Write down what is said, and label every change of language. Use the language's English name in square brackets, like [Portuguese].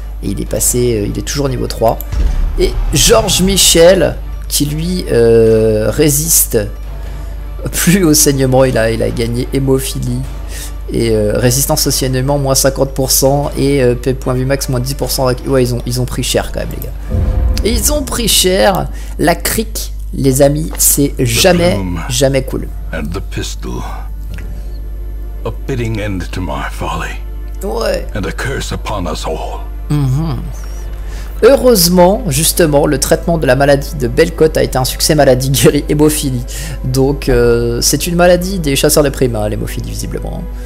[French] Et il est passé, il est toujours niveau 3. Et Georges Michel, qui lui résiste plus au saignement, il a gagné hémophilie. Et résistance au saignement, moins 50%. Et point vue max, moins 10%. Ouais, ils ont pris cher quand même, les gars. Ils ont pris cher. La crique, les amis, c'est jamais, jamais cool. [English] And the pistol. A fitting end to my folly. [French] Ouais. [English] And a curse upon us all. Mmh. [French] Heureusement, justement, le traitement de la maladie de Belcott a été un succès, maladie guérie, hémophilie. Donc, c'est une maladie des chasseurs de primes, hein, l'hémophilie, visiblement.